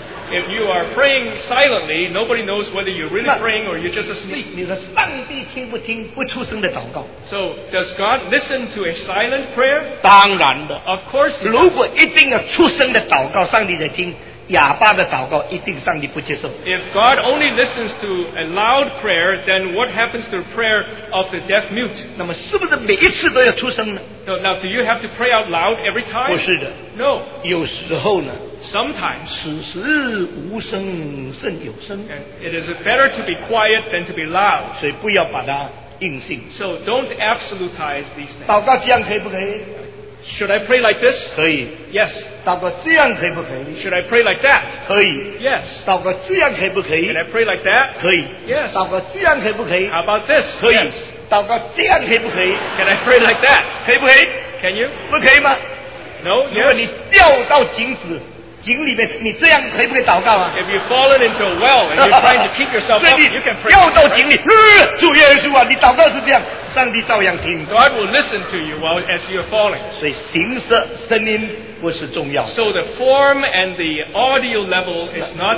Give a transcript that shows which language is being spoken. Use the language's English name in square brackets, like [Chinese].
[English] if you are praying silently, nobody knows whether you're really praying or you're just asleep. [Chinese] 你的上帝听不听不出声的祷告? [English] So, does God listen to a silent prayer? [Chinese] 当然的, [English] of course he does. [Chinese] 如果一定要出声的祷告, 上帝在听, 哑巴的祷告, 一定上帝不接受。 [English] If God only listens to a loud prayer, then what happens to the prayer of the deaf mute? [Chinese] 那么是不是每一次都要出声呢? [English] So, now, do you have to pray out loud every time? [Chinese] 不是的, [English] no. [Chinese] 有时候呢, [English] sometimes, [Chinese] 此时无声胜有声, [English] it is better to be quiet than to be loud. [Chinese] 所以不要把它硬性, [English] so don't absolutize these things. [Chinese] 祷告这样可以不可以? [English] Should I pray like this? [Chinese] 可以, [English] yes. [Chinese] 祷告这样可以不可以? [English] Should I pray like that? [Chinese] 可以, [English] yes. [Chinese] 祷告这样可以不可以? [English] Should I pray like that? [Chinese] 可以, [English] yes. [Chinese] 祷告这样可以不可以? [English] How about this? [Chinese] 可以, [English] yes. [Chinese] 祷告这样可以不可以? [English] Can I pray like that? [Chinese] 可以不可以? [English] Can you? [Chinese] 不可以吗? [English] No, yes. [Chinese] 如果你掉到井子, 井里面, 你这样可以不可以祷告啊? [English] If you've fallen into a well and you're trying to keep yourself up, you can pray. [Chinese] 掉到井里, 主耶稣啊, 你祷告是这样, 上帝照样听, [English] God will listen to you while as you're falling. [Chinese] 所以形式, 声音不是重要, [English] so the form and the audio level is not